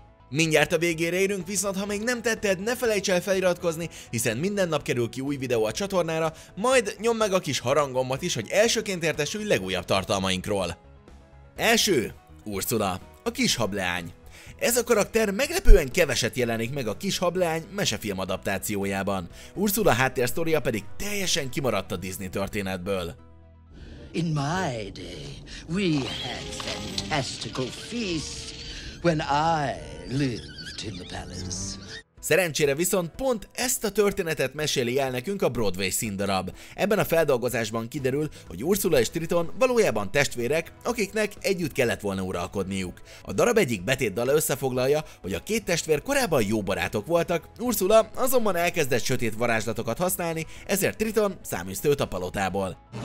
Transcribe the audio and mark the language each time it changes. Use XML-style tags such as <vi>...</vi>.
<hu>Mindjárt a végére érünk, viszont ha még nem tetted, ne felejts el feliratkozni, hiszen minden nap kerül ki új videó a csatornára, majd nyomd meg a kis harangombat is, hogy elsőként értesülj legújabb tartalmainkról. 1. Ursula, a kis hableány. Ez a karakter meglepően keveset jelenik meg a kis hableány mesefilm adaptációjában. Ursula háttérsztória pedig teljesen kimaradt a Disney történetből.</hu> <en>In my day, we had fantastical feasts when I lived in the palace.</en> <hu>Szerencsére viszont pont ezt a történetet meséli el nekünk a Broadway színdarab. Ebben a feldolgozásban kiderül, hogy Ursula és Triton valójában testvérek, akiknek együtt kellett volna uralkodniuk. A darab egyik betétdala összefoglalja, hogy a két testvér korábban jó barátok voltak, Ursula azonban elkezdett sötét varázslatokat használni, ezért Triton száműzte őt a palotából.</hu>